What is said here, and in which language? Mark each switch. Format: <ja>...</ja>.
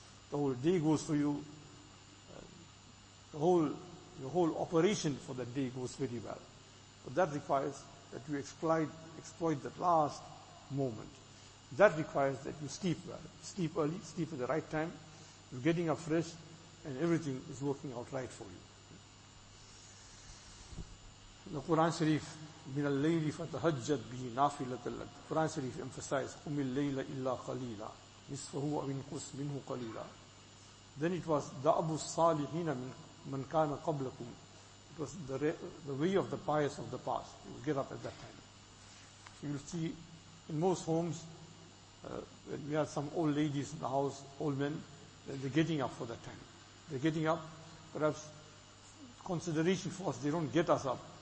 <en>The whole day goes for you. Your whole operation for that day goes very well. But that requires that you exploit that last moment. That requires that you sleep well. Sleep early, sleep at the right time. You're getting up fresh and everything is working out right for you. The Quran Sharif,</en> <ar>مِنَ اللَّيْلِ فَتَهَجَّدْ بِهِ نَافِلَةً لَكَ.</ar> <en>Quran Sharif emphasized,</en> <ar>قُمِ اللَّيْلَ إِلَّا قَلِيلًا نِصْفَهُ وَأَنْقُصْ مِنْهُ قَلِيلًا.</ar> <en>Then it was</en> <ar>دَعْبُ الصَّالِحِينَ مَنْ كَانَ قَبْلَكُمْ.</ar> <en>It was the way of the pious of the past. You will get up at that time. So you'll see in most homes, when we have some old ladies in the house, old men, they're getting up for that time. They're getting up, perhaps consideration for us, they don't get us up.</en>